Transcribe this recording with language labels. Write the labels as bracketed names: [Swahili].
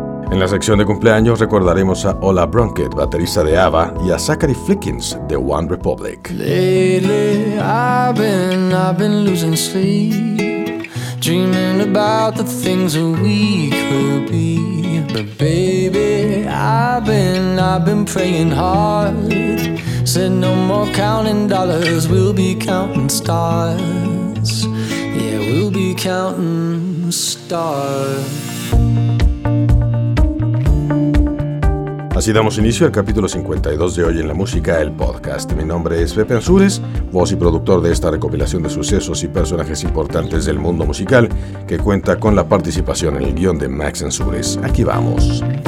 [Spanish] En la sección de cumpleaños recordaremos a Ola Brunkett, baterista de ABBA, y a Zachary Flickins de One Republic. [English] Lately I've been losing sleep, dreaming about the things we could be. But baby, I've been praying hard, said no more counting dollars, we'll be counting stars. Yeah, we'll be counting stars. [Spanish] Así damos inicio al capítulo 52 de Hoy en la Música, el podcast. Mi nombre es Pepe Ansures, voz y productor de esta recopilación de sucesos y personajes importantes del mundo musical, que cuenta con la participación en el guión de Max Ansures. Aquí vamos.